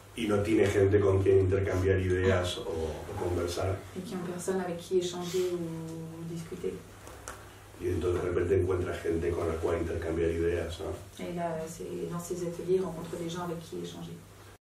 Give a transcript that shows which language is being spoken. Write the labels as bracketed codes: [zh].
[es] Y no tiene gente con quien intercambiar ideas o conversar. [fr] Y qui ont personne avec qui échanger ou discuter. [es] Y entonces de repente encuentra gente con la cual intercambiar ideas, ¿no? [fr] Et là, c'est dans ces ateliers, rencontre des gens avec qui échanger.